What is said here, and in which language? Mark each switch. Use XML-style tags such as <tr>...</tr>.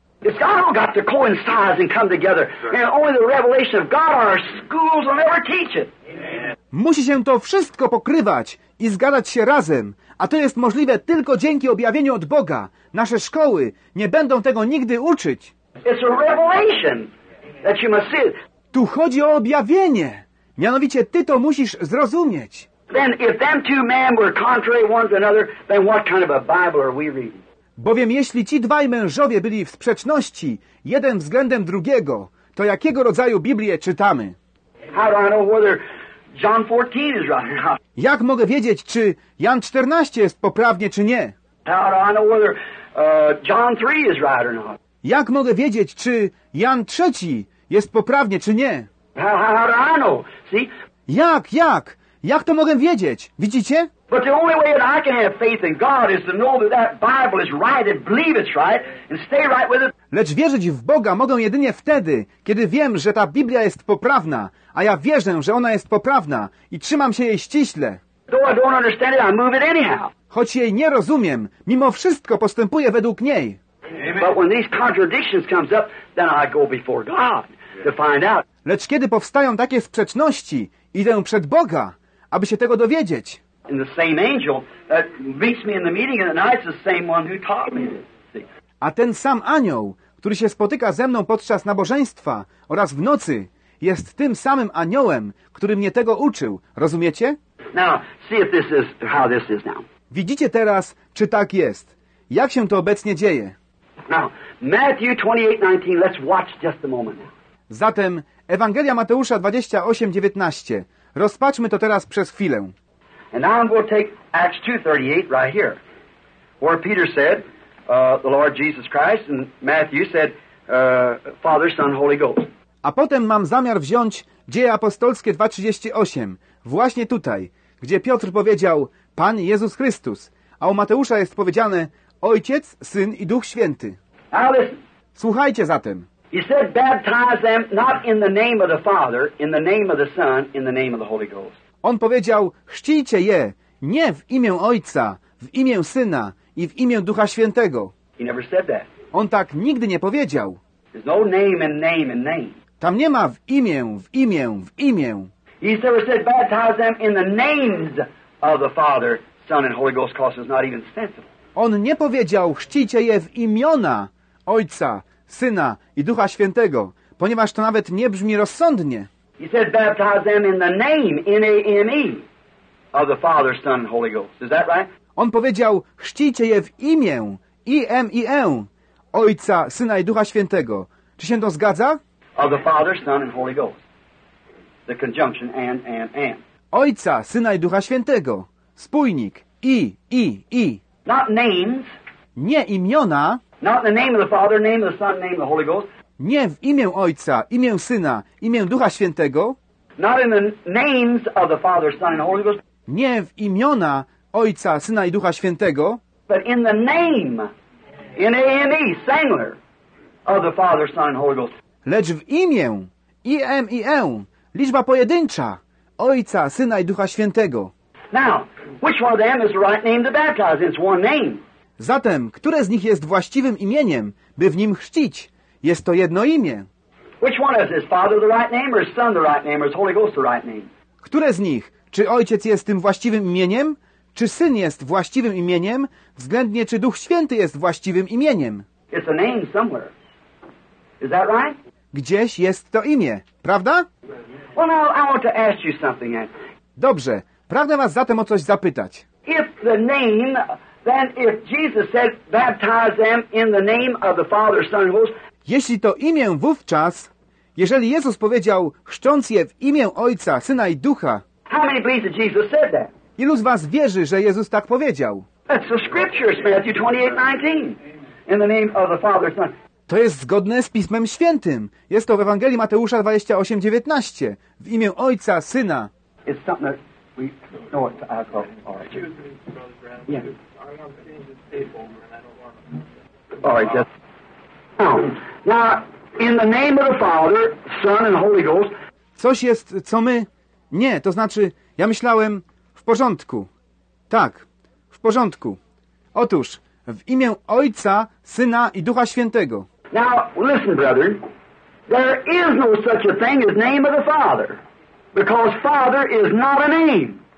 <en>It's God all got to coincide and come together. And only the revelation of God or our schools will never teach it.</en> <pl>Musi się to wszystko pokrywać i zgadzać się razem, a to jest możliwe tylko dzięki objawieniu od Boga. Nasze szkoły nie będą tego nigdy uczyć.</pl> <en>It's a revelation. that you must see.</en> <pl>Tu chodzi o objawienie. Mianowicie ty to musisz zrozumieć.</pl> <en>Then if them two men were contrary one to another, then what kind of a Bible are we reading?</en> <pl>Bowiem jeśli ci dwaj mężowie byli w sprzeczności jeden względem drugiego, to jakiego rodzaju Biblię czytamy?</pl> <en>How do I know whether John 14 is right or not?</en> <pl>Jak mogę wiedzieć, czy Jan 14 jest poprawnie, czy nie?</pl> <en>How do I know whether John 3 is right or not?</en> <pl>Jak mogę wiedzieć, czy Jan 3 jest poprawnie, czy nie?</pl> <en>How do I know? See?</en> <pl>Jak? Jak to mogę wiedzieć? Widzicie?</pl> <en>But the only way that I can have faith in God is to know that that Bible is right and believe it's right and stay right with it.</en> <pl>Lecz wierzyć w Boga mogę jedynie wtedy, kiedy wiem, że ta Biblia jest poprawna, a ja wierzę, że ona jest poprawna i trzymam się jej ściśle.</pl> <en>Though I don't understand it, I move it anyhow.</en> <pl>Choć jej nie rozumiem, mimo wszystko postępuję według niej.</pl> <en>But when these contradictions comes up, then I go before God to find out.</en> <pl>Lecz kiedy powstają takie sprzeczności, idę przed Boga, aby się tego dowiedzieć.</pl> <en>And the same angel that meets me in the meeting at night is the same one who taught me.</en> <pl>A ten sam anioł, który się spotyka ze mną podczas nabożeństwa oraz w nocy, jest tym samym aniołem, który mnie tego uczył. Rozumiecie?</pl> <en>Now, see if this is how this is now.</en> <pl>Widzicie teraz, czy tak jest. Jak się to obecnie dzieje?</pl> <en>Now, Matthew 28:19, let's watch just a moment.</en> <pl>Zatem Ewangelia Mateusza 28:19. Rozpatrzmy to teraz przez chwilę.</pl> <en>And now I'm going to take Acts 2:38 right here, where Peter said, the Lord Jesus Christ, and Matthew said, Father, Son, Holy Ghost.</en> <pl>A potem mam zamiar wziąć Dzieje Apostolskie 2:38, właśnie tutaj, gdzie Piotr powiedział, Pan Jezus Chrystus, a u Mateusza jest powiedziane, Ojciec, Syn i Duch Święty.</pl> <en>Now listen.</en> <pl>Słuchajcie zatem.</pl> <en>He said, baptize them not in the name of the Father, in the name of the Son, in the name of the Holy Ghost.</en> <pl>On powiedział, chrzcijcie je, nie w imię Ojca, w imię Syna i w imię Ducha Świętego.</pl> <en>He never said that.</en> <pl>On tak nigdy nie powiedział.</pl> <en>There's no name in name in name.</en> <pl>Tam nie ma w imię.</pl> <en>He never said, baptize them in the names of the Father, Son and Holy Ghost, because it's not even sensible.</en> <pl>On nie powiedział, chrzcijcie je w imiona Ojca, Syna i Ducha Świętego, ponieważ to nawet nie brzmi rozsądnie.</pl> <en>He said, baptize them in the name, N-A-M-E, of the Father, Son, and Holy Ghost. Is that right?</en> <pl>On powiedział, chrzcijcie je w imię, I-M-I-E, Ojca, Syna i Ducha Świętego. Czy się to zgadza?</pl> <en>Of the Father, Son, and Holy Ghost. The conjunction and.</en> <pl>Ojca, Syna i Ducha Świętego. Spójnik, I.</pl> <en>Not names.</en> <pl>Nie imiona.</pl> <en>Not the name of the Father, name of the Son, name of the Holy Ghost.</en> <pl>Nie w imię Ojca, imię Syna, imię Ducha Świętego.</pl> <en>Not in the names of the Father, Son and Holy Ghost.</en> <pl>Nie w imiona Ojca, Syna i Ducha Świętego.</pl> <en>But in the name, in A-M-E, singular, of the Father, Son and Holy Ghost.</en> <pl>Lecz w imię, I-M-I-E, liczba pojedyncza, Ojca, Syna i Ducha Świętego.</pl> <en>Now, which one of them is the right name to baptize? It's one name.</en> <pl>Zatem, które z nich jest właściwym imieniem, by w nim chrzcić? Jest to jedno imię.</pl> <en>Which one is Father the right name, or Son the right name, or Holy Ghost the right name?</en> <pl>Które z nich? Czy Ojciec jest tym właściwym imieniem? Czy Syn jest właściwym imieniem? Względnie, czy Duch Święty jest właściwym imieniem?</pl> <en>It's a name somewhere. Is that right?</en> <pl>Gdzieś jest to imię, prawda?</pl> <en>Well, now I want to ask you something.</en> <pl>Dobrze, pragnę was zatem o coś zapytać.</pl> <en>If the name, then if Jesus said, baptize them in the name of the Father, Son, and Holy Ghost.</en> <pl>Jeśli to imię wówczas, jeżeli Jezus powiedział, chrzcząc je w imię Ojca, Syna i Ducha,</pl> <en>how many believe that Jesus said that?</en> <pl>Ilu z was wierzy, że Jezus tak powiedział?</pl> <en>That's the scriptures, Matthew 28:19, in the name of the Father, Son.</en> <pl>To jest zgodne z Pismem Świętym. Jest to w Ewangelii Mateusza 28:19, w imię Ojca, Syna.</pl> <en>It's something that we know it to ask of our children. Yeah. All right, just... Now, in the name of the Father, Son and Holy Ghost.</en> <pl>Coś jest, co my... Nie, to znaczy, ja myślałem, w porządku. Tak, w porządku. Otóż, w imię Ojca, Syna i Ducha Świętego.</pl> <en>Now, listen, brother. There is no such a thing as name of the Father. Because Father is not a name.</en>